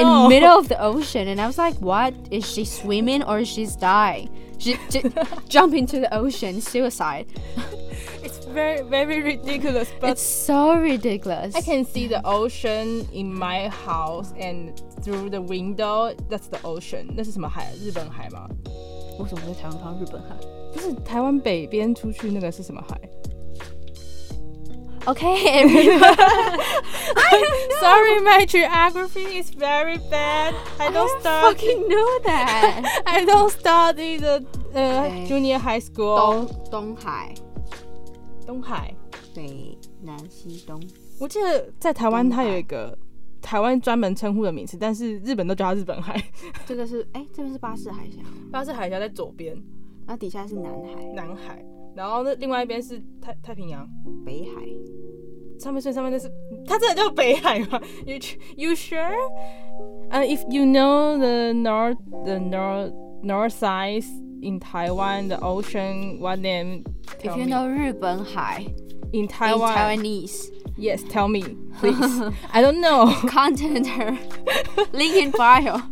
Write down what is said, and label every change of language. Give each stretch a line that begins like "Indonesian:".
English: In the middle of the ocean. And I was like, what? Is she swimming or is she dying? jump into the ocean. Suicide. It's very, very ridiculous. But it's so ridiculous. I can see the ocean in my house and through the window. That's the ocean.
Chinese: 那是什么海?日本海吗? 我怎么在台湾看到日本海? 不是台湾北边出去那个是什么海?
English: Okay, everyone. Sorry, my geography is very bad. I don't fucking know that. I don't study the junior high school.
Chinese: 东海. 东海. 北南西东. 我记得在台湾它有一个 台湾专门称呼的名词, 但是日本都叫它日本海. 这个是, 诶, 这边是巴士海峡. 巴士海峡在左边. 那底下是南海. 南海.然后另外一边是太平洋. 北海. 上面是, 它真的叫北海吗?
English: You sure? If you know the north side in Taiwan, the ocean, what name? If you know 日本海 in Taiwan, in Taiwanese. Yes, tell me, please. I don't know. Content her. Link in bio.